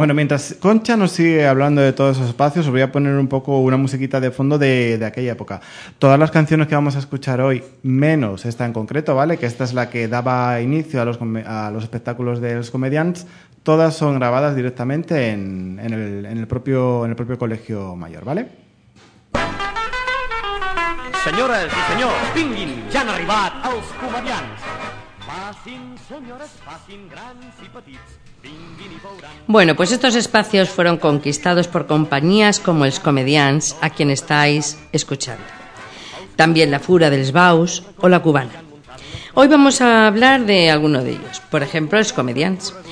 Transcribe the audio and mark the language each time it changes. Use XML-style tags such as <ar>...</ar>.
<es>Bueno, mientras Concha nos sigue hablando de todos esos espacios, os voy a poner un poco una musiquita de fondo de aquella época. Todas las canciones que vamos a escuchar hoy, menos esta en concreto, ¿vale?, que esta es la que daba inicio a los espectáculos de los comediantes, todas son grabadas directamente en el propio Colegio Mayor, ¿vale? Señores</es> <ca>i senyors, vinguin, ja han arribat els comediants. Va. facin, senyores, facin, grans i petits. Vinguin i veuran.</ca> <es>Bueno, pues estos espacios fueron conquistados por compañías como Els Comedians, a quien estáis escuchando. También la Fura dels Baus o la Cubana. Hoy vamos a hablar de alguno de ellos, por ejemplo, Els Comedians.</es>